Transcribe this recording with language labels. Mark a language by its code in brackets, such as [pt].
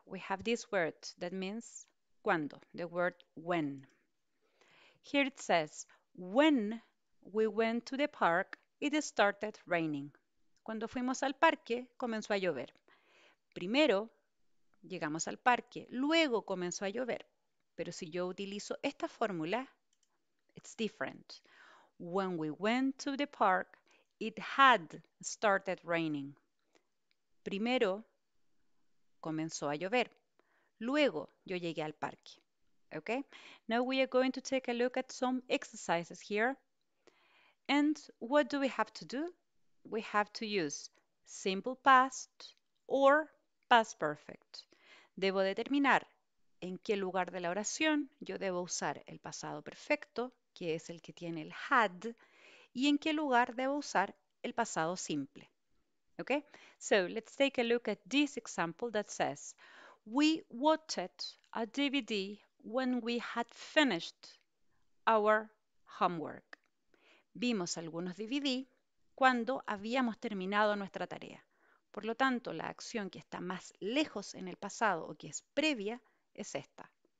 [en] We have this word that means cuando, the word when. Here it says, when we went to the park, it started raining. [es] Cuando fuimos al parque, comenzó a llover. Primero, llegamos al parque, luego comenzó a llover. Pero si yo utilizo esta fórmula, [en] it's different. When we went to the park, it had started raining. [es] Primero comenzó a llover, luego yo llegué al parque. [en] Okay? Now we are going to take a look at some exercises here. And what do we have to do? We have to use simple past or past perfect. [es] Debo determinar en qué lugar de la oración yo debo usar el pasado perfecto, que es el que tiene el had, y en qué lugar debo usar el pasado simple. [en] Okay? So, let's take a look at this example that says, we watched a DVD when we had finished our homework. [es] Vimos algunos DVD cuando habíamos terminado nuestra tarea. Por lo tanto, la acción que está más lejos en el pasado o que es previa es esta.